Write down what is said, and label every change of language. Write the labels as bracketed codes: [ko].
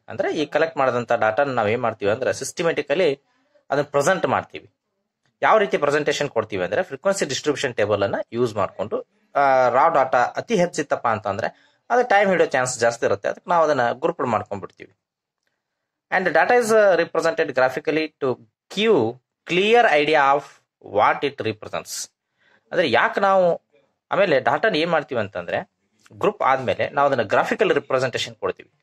[kn] ಅಂದ್ರೆ ಈ ಕಲೆಕ್ಟ್ ಮಾಡಿದಂತ ಡಾಟಾನ ನಾವ್ ಏನ್ ಮಾಡ್ತೀವಿ ಅಂದ್ರೆ ಸಿಸ್ಟಮೆಟಿಕಲಿ ಅದನ್ನ ಪ್ರೆಸೆಂಟ್ ಮಾಡ್ತೀವಿ. ಯಾವ ರೀತಿ ಪ್ರೆಸೆಂಟೇಷನ್ ಕೊಡ್ತೀವಿ ಅಂದ್ರೆ ಫ್ರೀಕ್ವೆನ್ಸಿ ಡಿಸ್ಟ್ರಿಬ್ಯೂಷನ್ ಟೇಬಲ್ ಅನ್ನ ಯೂಸ್ ಮಾಡಿಕೊಂಡು ರಾ ಡಾಟಾ ಅತಿ ಹೆಚ್ಚಿತ್ತಪ್ಪ ಅಂತಂದ್ರೆ ಅದು ಟೈಮ್ ಹಿಡಿಯೋ ಚಾನ್ಸ್ ಜಾಸ್ತಿ ಇರುತ್ತೆ, ಅದಕ್ಕೆ ನಾವು ಅದನ್ನ grouped ಮಾಡ್ಕೊಂಡ್ಬಿಡ್ತೀವಿ. [en] And data is represented graphically to give clear idea of what it represents. [kn] ಅಂದರೆ ಯಾಕೆ ನಾವು ಆಮೇಲೆ ಡಾಟಾನ ಏನು ಮಾಡ್ತೀವಿ ಅಂತಂದರೆ ಗ್ರೂಪ್ ಆದಮೇಲೆ ನಾವು ಅದನ್ನು ಗ್ರಾಫಿಕಲ್ ರಿಪ್ರೆಸೆಂಟೇಷನ್ ಕೊಡ್ತೀವಿ.